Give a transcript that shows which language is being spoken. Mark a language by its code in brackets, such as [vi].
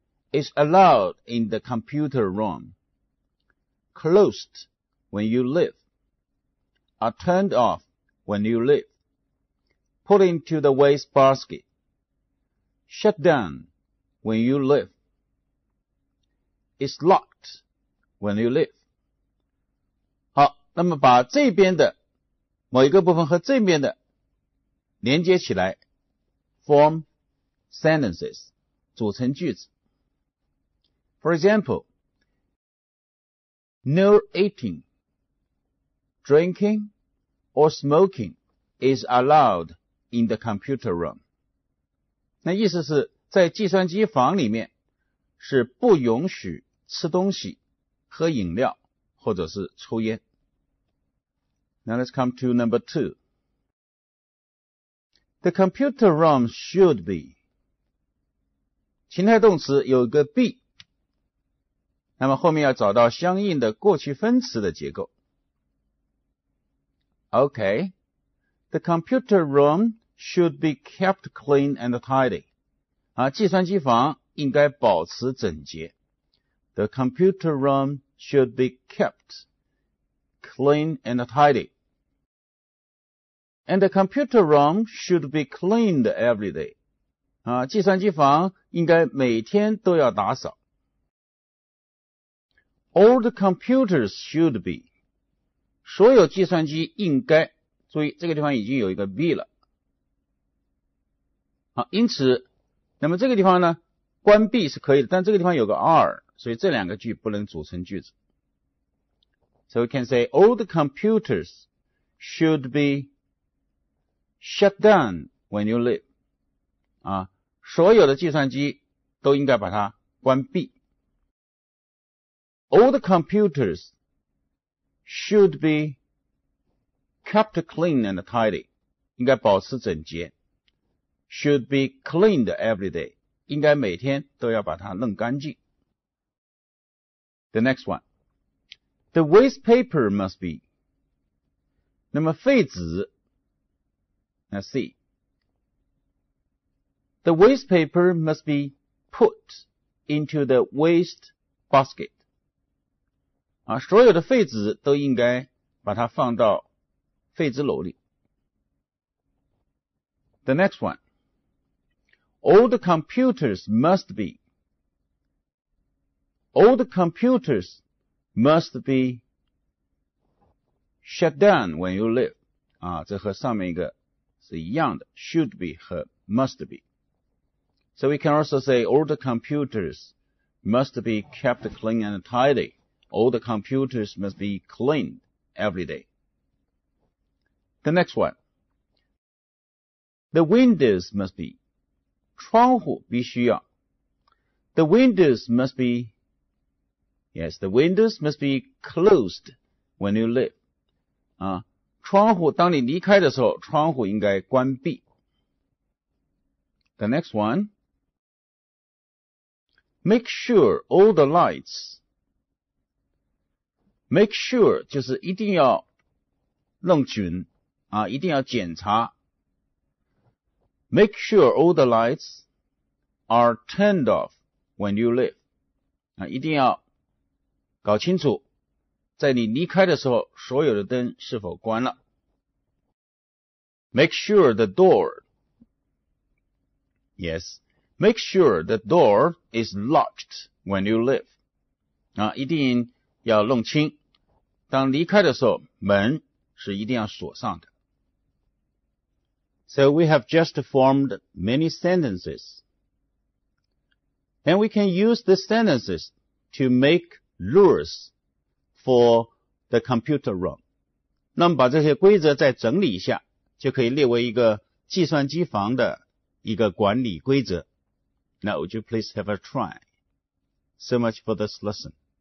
[en] Is allowed in the computer room. Closed when you leave. Are turned off when you leave. Put into the waste basket. Shut down when you leave. Is locked when you leave. [zh] 那么把这边的某一个部分和这边的连接起来 [en] ,form sentences, [zh] 组成句子。 [en] For example, no eating, drinking, or smoking is allowed in the computer room. [zh] 那意思是在计算机房里面是不允许吃东西、喝饮料或者是抽烟。 [en] Now let's come to number two. The computer room should be. [zh] 情态动词有个 be. 那么后面要找到相应的过去分词的结构。 [en] Okay. The computer room should be kept clean and tidy. [zh] 啊，计算机房应该保持整洁。 [en] The computer room should be kept clean and tidy. And the computer room should be cleaned every day. [zh] 啊，计算机房应该每天都要打扫。 [en] All the computers should be. [zh] 所有计算机应该，注意这个地方已经有一个 be 了。好，因此，那么这个地方呢，关闭是可以的，但这个地方有个 are， 所以这两个句不能组成句子。 [en] So we can say all the computers should be. Shut down when you leave. [zh] 啊，所有的计算机都应该把它关闭。 [en] All the computers should be kept clean and tidy. [zh] 应该保持整洁。 [en] Should be cleaned every day. [zh] 应该每天都要把它弄干净。 [en] The next one. The waste paper must be. [zh] 那么废纸 [en] Now see, the waste paper must be put into the waste basket. [zh] 啊，所有的废纸都应该把它放到废纸篓里。 [en] The next one, all the computers must be, all the computers must be shut down when you leave. [zh] 啊，这和上面一个是一样的 [en] should be [zh] 和 [en] must be. So we can also say all the computers must be kept clean and tidy. All the computers must be cleaned every day. The next one. The windows must be. [zh] 窗户必须要。 [en] The windows must be. Yes, the windows must be closed when you leave. [zh] 啊，窗户当你离开的时候，窗户应该关闭。 [en] The next one. Make sure all the lights. Make sure [zh] 就是一定要弄准啊，一定要检查。 [en] Make sure all the lights are turned off when you leave. [zh] 啊，一定要搞清楚，在你离开的时候，所有的灯是否关了。 [en] Make sure the door. Yes. Make sure the door is locked when you leave. [zh] 啊，一定要弄清，当离开的时候，门是一定要锁上的。 [en] So we have just formed many sentences. And we can use the sentences to make rules for the computer room. [zh] 那么把这些规则再整理一下，就可以列为一个计算机房的一个管理规则。 [en] Now would you please have a try? So much for this lesson.